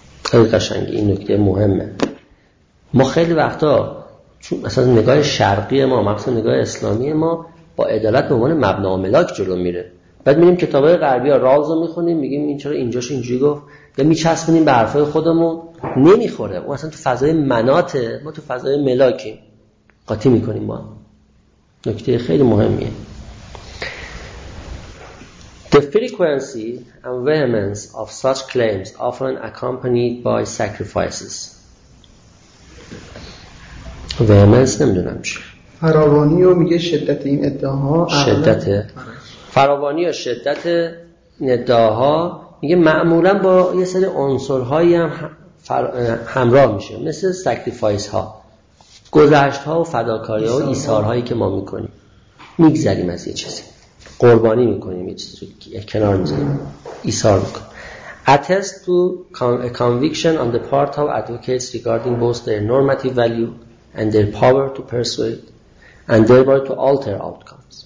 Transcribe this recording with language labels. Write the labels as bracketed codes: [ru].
[fa] خیلی قشنگه این نکته، مهمه. ما خیلی وقتا چون مثلا نگاه شرقی ما، مثلا نگاه اسلامی ما با عدالت به عنوان مبنا و ملاک جلو میره، بعد میریم کتابای غربی ها راز رو میخونیم میگیم این چرا اینجاش اینجوری گفت، یا میچسبونیم به حرفای خودمون، نمیخوره. اون اصلا تو فضای مناته، ما تو فضای ملاکیم، قاطی میکنیم با هم. نکته خیلی مهمیه. [en] The frequency and vehemence of such claims often accompanied by sacrifices. [fa] vehemence نمیدونم چی، فراوانی رو میگه، شدت این ادعاها، شدت فراوانی و شدت ندعاها، میگه معمولا با یه سری عنصرهایی هم همراه میشه، مثل سکریفایس ها، گذشت ها و فداکاری ها و ایثارهایی که ما میکنیم، میگذریم از یه چیزی، قربانی میکنیم یه چیزی رو کنار میذاریم، ایثار میکنیم. [en] Attest to a conviction on the part of advocates regarding both their normative value and their power to persuade and thereby to alter outcome.